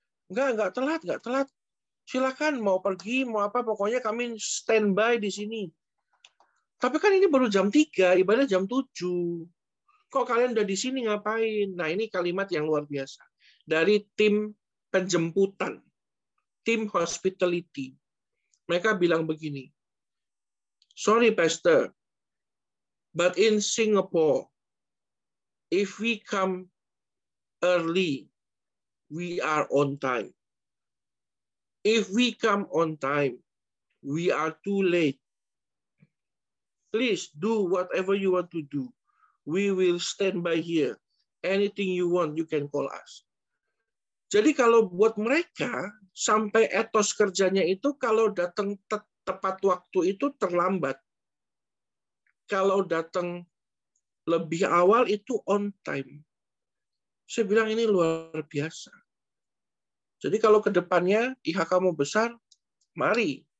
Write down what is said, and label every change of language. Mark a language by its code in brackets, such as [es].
[id] Enggak telat. Silakan mau pergi, mau apa, pokoknya kami standby di sini. Tapi kan ini baru jam 3, ibadah jam 7. Kok kalian udah di sini ngapain? Nah, ini kalimat yang luar biasa. Dari tim penjemputan, tim hospitality. Mereka bilang begini, [en] "Sorry, Pastor, but in Singapore, if we come early, we are on time. If we come on time, we are too late. Please do whatever you want to do. We will stand by here. Anything you want, you can call us." [id] Jadi kalau buat mereka, sampai etos kerjanya itu, kalau datang tepat waktu itu terlambat. Kalau datang lebih awal itu on time. Saya bilang ini luar biasa. Jadi kalau ke depannya IHK mau besar, mari.